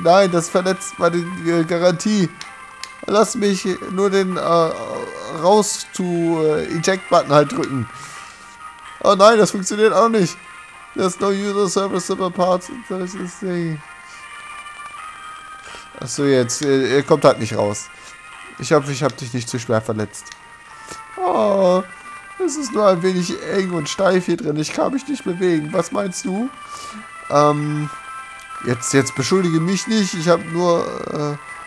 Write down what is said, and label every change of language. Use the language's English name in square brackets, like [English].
[German] Nein, das verletzt meine Garantie. Lass mich nur den Eject-Button halt drücken. Oh nein, das funktioniert auch nicht. [English] There's no user service super parts. That's the thing. [German] Achso, jetzt. Er kommt halt nicht raus. Ich hoffe, ich habe dich nicht zu schwer verletzt. Oh, es ist nur ein wenig eng und steif hier drin. Ich kann mich nicht bewegen. Was meinst du? Jetzt beschuldige mich nicht. Ich habe nur...